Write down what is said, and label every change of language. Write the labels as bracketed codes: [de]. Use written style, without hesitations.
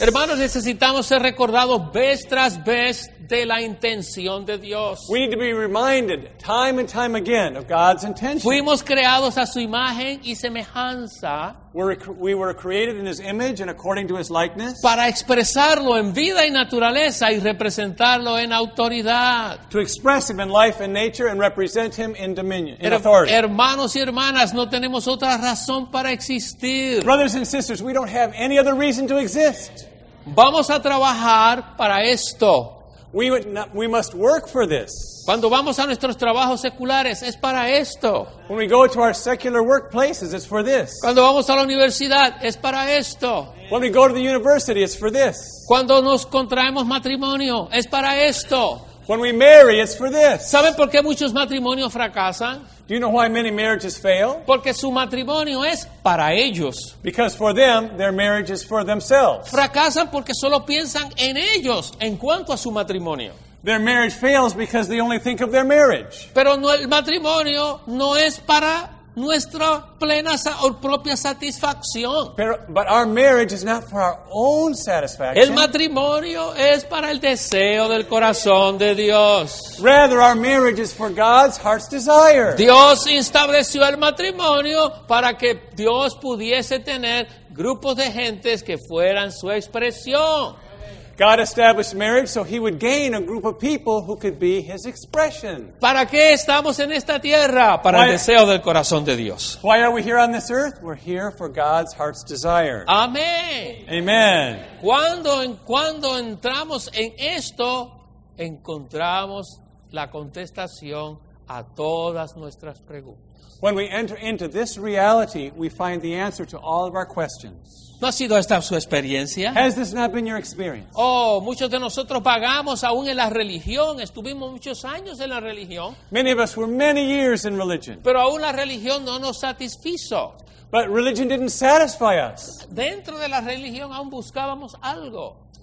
[es] Hermanos, necesitamos ser recordados vez tras vez de la intención de Dios. [en] We need to be reminded time and time again of God's intention. [es] Fuimos creados a su imagen y semejanza. [en] We were created in his image and according to his likeness. [es] Para expresarlo en vida y naturaleza y representarlo en autoridad. [en] To express him in life and nature and represent him in dominion, in authority. [es] Hermanos y hermanas, no tenemos otra razón para existir. [en] Brothers and sisters, we don't have any other reason to exist. [es] Vamos a trabajar para esto. [en] We must work for this. [es] Cuando vamos a nuestros trabajos seculares, es para esto. [en] When we go to our secular workplaces, it's for this. [es] Cuando vamos a la universidad, es para esto. [en] When we go to the university, it's for this. [es] Cuando nos contraemos matrimonio, es para esto. [en] When we marry, it's for this. [es] ¿Saben por qué muchos matrimonios fracasan? [en] Do you know why many marriages fail? [es] Porque su matrimonio es para ellos. [en] Because for them, their marriage is for themselves. [es] Fracasan porque solo piensan en ellos en cuanto a su matrimonio. [en] Their marriage fails because they only think of their marriage. [es] Pero no, el matrimonio no es para nuestra plena o propia satisfacción. [en] But our marriage is not for our own satisfaction. [es] El matrimonio es para el deseo del corazón de Dios. [en] Rather, our marriage is for God's heart's desire. [es] Dios estableció el matrimonio para que Dios pudiese tener grupos de gentes que fueran su expresión. [en] God established marriage so he would gain a group of people who could be his expression. [es] ¿Para qué estamos en esta tierra? Para el deseo del corazón de Dios. [en] Why are we here on this earth? We're here for God's heart's desire. [es] Amén. [en] Amen. [es] Cuando entramos en esto, encontramos la contestación a todas nuestras preguntas. [en] When we enter into this reality, we find the answer to all of our questions. [es] ¿No ha sido esta su experiencia? [en] Has this not been your experience? [es] Oh, muchos de nosotros vagamos aún en la religión. Estuvimos muchos años en la religión. [en] Many of us were many years in religion. [es] Pero aún la religión no nos satisfizo. [en] But religion didn't satisfy us. [es] Dentro de la religión aún buscábamos algo.